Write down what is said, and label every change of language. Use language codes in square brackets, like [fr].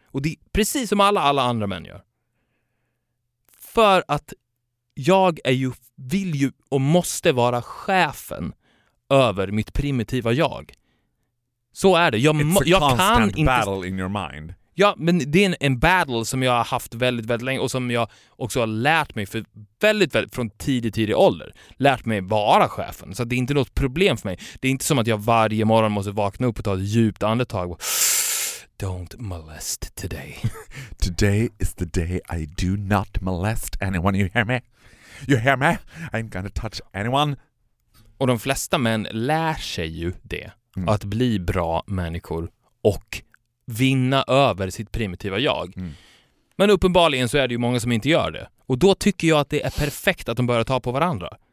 [sv] Och det är precis som alla andra män gör. För att jag är ju, vill ju och måste vara chefen över mitt primitiva jag. Så är det. [en] It's a constant battle in your mind. [sv] Ja, men det är en battle som jag har haft väldigt, väldigt länge och som jag också har lärt mig för väldigt, väldigt från tidig ålder. Lärt mig vara chefen. Så det är inte något problem för mig. Det är inte som att jag varje morgon måste vakna upp och ta ett djupt andetag. [en] Don't molest today. Today is the day I do not molest anyone. You hear me? You hear me? I'm gonna touch anyone. [sv] Och de flesta män lär sig ju det. Mm. Att bli bra människor och vinna över sitt primitiva jag. Mm. Men uppenbarligen så är det ju många som inte gör det. Och då tycker jag att det är perfekt att de börjar ta på varandra.